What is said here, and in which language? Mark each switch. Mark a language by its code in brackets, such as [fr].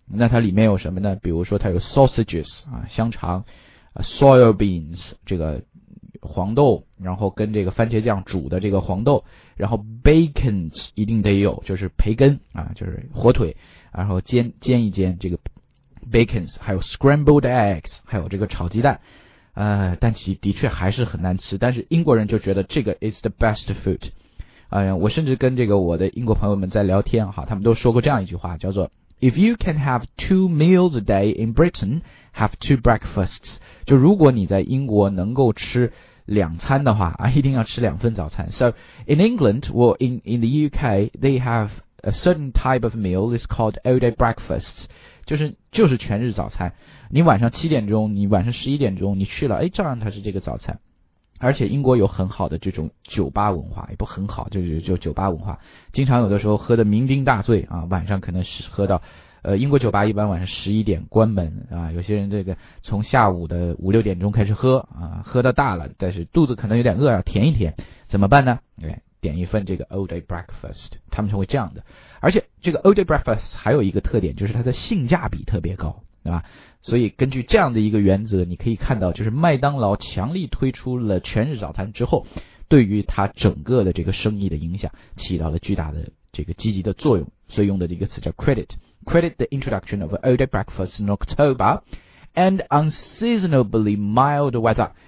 [zh] 那它里面有什么呢？比如说它有 sausages, 啊，香肠， soil beans, 这个黄豆，然后跟这个番茄酱煮的这个黄豆，然后 bacon 一定得有，就是培根啊，就是火腿，然后煎一煎这个 bacon, 还有 scrambled eggs, 还有这个炒鸡蛋，但其的确还是很难吃，但是英国人就觉得这个 is the best food。我甚至跟这个我的英国朋友们在聊天哈，他们都说过这样一句话，叫做 If you can have two meals a day in Britain, have two breakfasts. 就如果你在英国能够吃两餐的话，一定要吃两份早餐。 [en] So in England, well, in the UK, they have a certain type of meal is called all day breakfasts. [zh] 就是全日早餐。你晚上七点钟，你晚上十一点钟你去了，哎，照样它是这个早餐。而且英国有很好的这种酒吧文化，也不很好，就酒吧文化，经常有的时候喝得酩酊大醉啊，晚上可能是喝到，英国酒吧一般晚上十一点关门啊，有些人这个从下午的五六点钟开始喝啊，喝到大了，但是肚子可能有点饿，要填一填，怎么办呢？对，点一份这个 all day breakfast, 他们就会这样的。而且这个 all day breakfast 还有一个特点，就是它的性价比特别高，对吧？所以根据这样的一个原则，你可以看到就是麦当劳强力推出了全日早餐之后，对于它整个的这个生意的影响起到了巨大的这个积极的作用。 [en] 所以用的一个词叫 credit the introduction of all day breakfast in October and unseasonably mild weather,